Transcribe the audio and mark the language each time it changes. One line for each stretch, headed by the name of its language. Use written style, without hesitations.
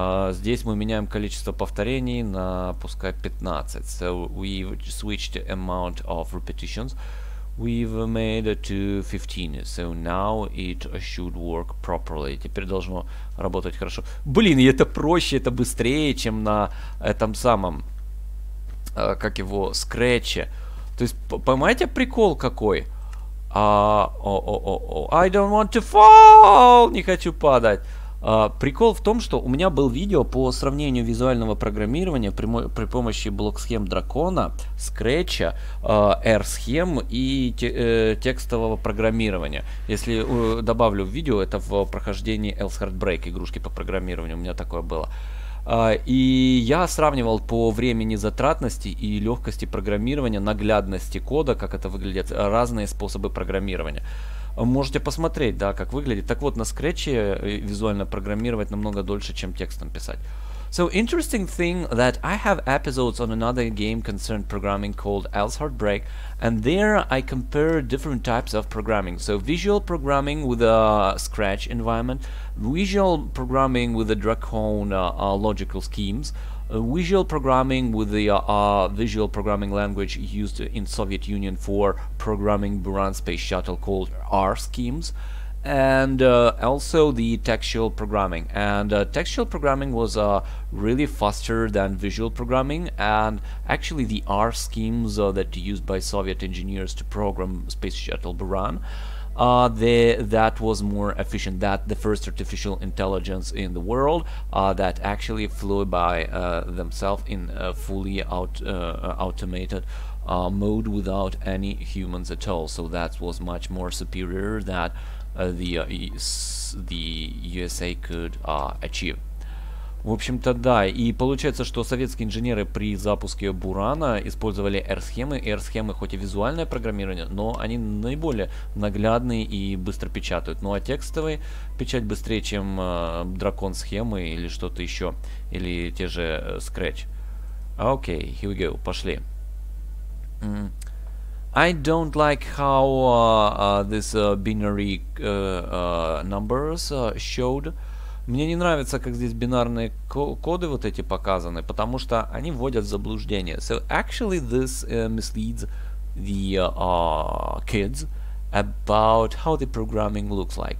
Russian: Здесь мы меняем количество повторений на, пускай, 15.
English: So we've switched amount of repetitions. We've made it to 15, so now it should work properly.
Russian: Теперь должно работать хорошо. Блин, это проще, это быстрее, чем на этом самом, как его, Scratch. То есть, понимаете, прикол какой?
English: I don't want to fall!
Russian: Не хочу падать! Прикол в том, что у меня был видео по сравнению визуального программирования при помощи блок-схем Дракона, Скретча, R-схем и текстового программирования. Если добавлю в видео, это в прохождении Else Heartbreak, игрушки по программированию, у меня такое было. И я сравнивал по времени затратности и легкости программирования, наглядности кода, как это выглядит, разные способы программирования. Можете посмотреть, да, как выглядит. Так вот, на Scratch'е визуально программировать намного дольше, чем текстом писать.
English: So, interesting thing that I have episodes on another game concerned programming called Else Heartbreak, and there I compare different types of programming. So, visual programming with a Scratch environment, visual programming with a Dracon logical schemes, visual programming with the visual programming language used in Soviet Union for programming Buran space shuttle called R schemes, And also the textual programming. And textual programming was really faster than visual programming. And actually the R schemes that used by Soviet engineers to program Space Shuttle Buran, that was more efficient than the first artificial intelligence in the world that actually flew by themselves in a fully automated mode without any humans at all. So that was much more superior than the USA could achieve.
Russian: В общем-то, да, и получается, что советские инженеры при запуске Бурана использовали R-схемы, и R-схемы хоть и визуальное программирование, но они наиболее наглядные и быстро печатают. Ну а текстовые печать быстрее, чем дракон-схемы или что-то еще, или те же Scratch.
English: Окей, here we go, пошли. I don't like how this binary numbers showed.
Russian: Мне не нравится, как здесь бинарные коды вот эти показаны, потому что они вводят в заблуждение.
English: So actually this misleads the kids about how the programming looks like.